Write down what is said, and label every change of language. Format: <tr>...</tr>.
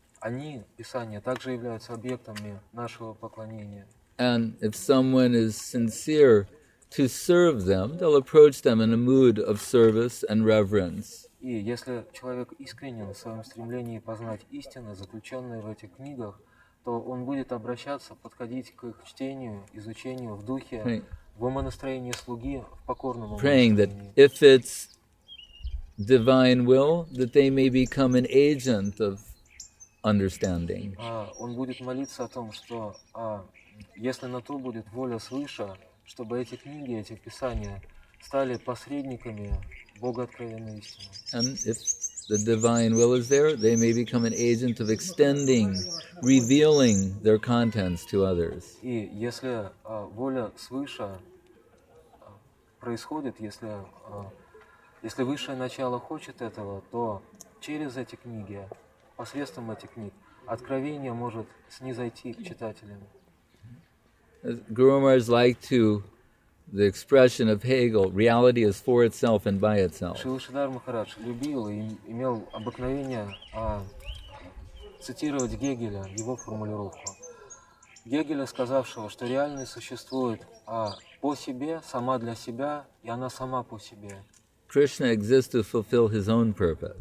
<ru>Они, писания, также являются объектами нашего поклонения.</ru> <en>And if someone is sincere to serve them, they'll approach them in a mood of service and reverence.</en> <ru>И если человек искренен в своем стремлении познать истины, заключенные в этих книгах, то он будет обращаться, подходить к их чтению, изучению в духе, в умонастроении слуги, в покорном</ru> <en>Praying that if it's divine will, that they may become an agent of understanding.</en> <ru>Он будет молиться о том, что если на то будет воля свыше, чтобы эти книги, эти писания стали посредниками Богооткровенной истины.</ru> <en>And if the divine will is there, they may become an agent of extending, revealing their contents to others.</en> <ru>И если воля свыше происходит, если высшее начало хочет этого, то через эти книги, посредством этих книг, откровение может снизойти к читателям.</ru> <en>Guru Maharaj liked to the expression of Hegel, reality is for itself and by itself.</en> <ru>Шрила Шридхар Махарадж любил и имел обыкновение цитировать Гегеля, его формулировку. Гегеля, сказавшего, что реальность существует по себе, сама для себя, и она сама по себе.</ru> <en>Krishna exists to fulfill his own purpose.</en>